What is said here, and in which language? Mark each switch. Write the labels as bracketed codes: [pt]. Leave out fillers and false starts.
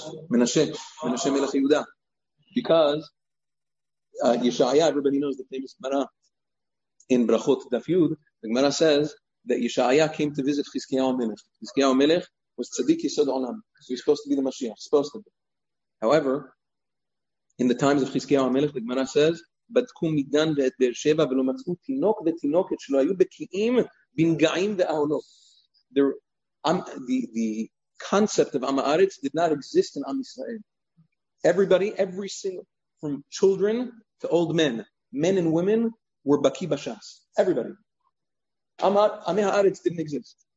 [en] Menashe Melech Yehuda. Because Yeshaya, everybody knows the famous Gemara in Brachot Dafyud. The Gemara says that Yeshaya came to visit Chizkiyahu HaMelech. Chizkiyahu HaMelech was Tzadik Yisod Olam. So he's supposed to be the Mashiach. Supposed to be. However, in the times of Chizkiyahu HaMelech, the Gemara says, [he] בדקו מידן ואת באר שבע ולא מצאו תינוק ותינוקת שלא היו בקיאים בנגעים ואהונות. [en] The concept of Am Haaretz did not exist in Am Yisrael. Everybody, every single, from children to old men and women were baki bashas. Everybody. Am Haaretz didn't exist.